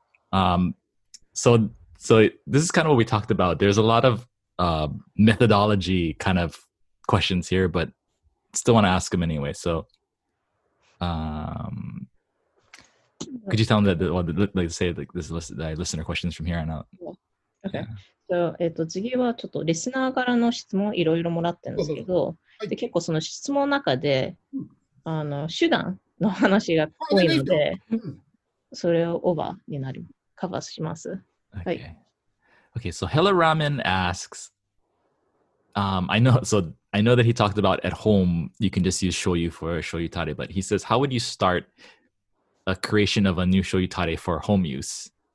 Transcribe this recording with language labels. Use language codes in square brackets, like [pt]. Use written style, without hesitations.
[en] So this is kind of what we talked about. There's a lot of methodology kind of questions here, but still want to ask them anyway. So, could you tell them listener questions from here on out? Yeah. Okay. Yeah. So, [ja] 次はちょっとリスナーからの質問いろいろもらってるんですけど、で結構その質問の中で、手段の話が多いので、それをオーバーになる、カバーします。 [en] Okay. Okay. So, Hello Ramen asks. I know that he talked about at home, you can just use shoyu for shoyu tare, but he says, how would you start a creation of a new shoyu tare for home use?